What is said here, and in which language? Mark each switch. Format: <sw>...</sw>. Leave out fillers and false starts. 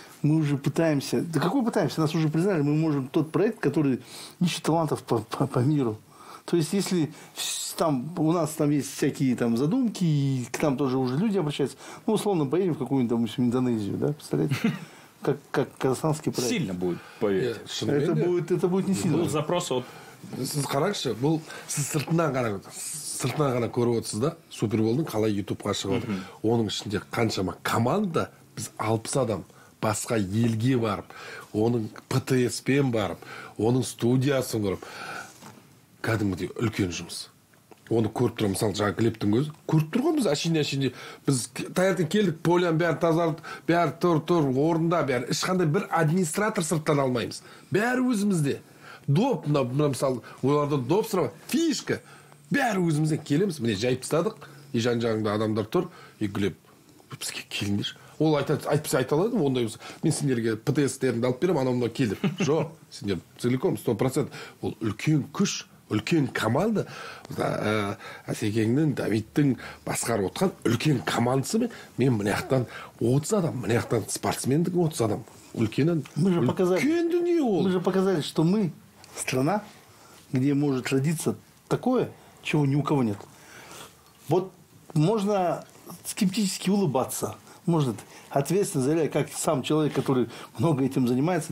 <ru>Мы уже пытаемся... Да какой пытаемся? Нас уже признали. Мы можем тот проект, который ищет талантов по миру. То есть, если там, у нас там есть всякие там задумки, и к нам тоже уже люди обращаются, ну, условно, поедем в какую-нибудь там Индонезию, да, представляете? Как казахстанский проект. Сильно будет, поверьте. Это будет не сильно. Был запрос от...</ru> <kk>Раньше был сыртынан ғана көріп отырсыз, да, Суперболдың қалай YouTube-қа шығып, оның ішінде қаншама команда, біз 60 адам басқа елге барып, оның ПТС-пен барып, оның студиясын көріп, кәдімгідей үлкен жұмыс. Оны көріп тұрмыз, мысалы, жаңа Глебтің көзі, көріп тұр ғой біз, әшінде, біз таңертең келдік, полян бәрі тазарды, бәрі тұр, орында бәрі, ешқандай бір администратор сырттан алмаймыз, бәрі өзімізде. Доп, мысалы, олардан доп сұрап, фишка. Бәрі өзімізден келеміз, міне жайып тастадық, и жан-жағында адамдар тұр, и Глеб, бізге келіңдерші. Ол айтпаса айта алады, ондай болса, мен сендерге ПТС-терімді алып беремін, анау мынау келдім. Жоқ, сендер целиком 100%. Ол үлкен күш, үлкен команда, Асекеңнің, Давидтің басқарып отқан үлкен командасы мен, мен мынаяқтан 30 адам, мынаяқтан спортсмендік 30 адам. Үлкен дүние ол.</kk> <ru>Мы же показали, что мы страна, где может родиться такое, чего ни у кого нет. Вот можно скептически улыбаться. Может, ответственно заявляя, как сам человек, который много этим занимается.</ru>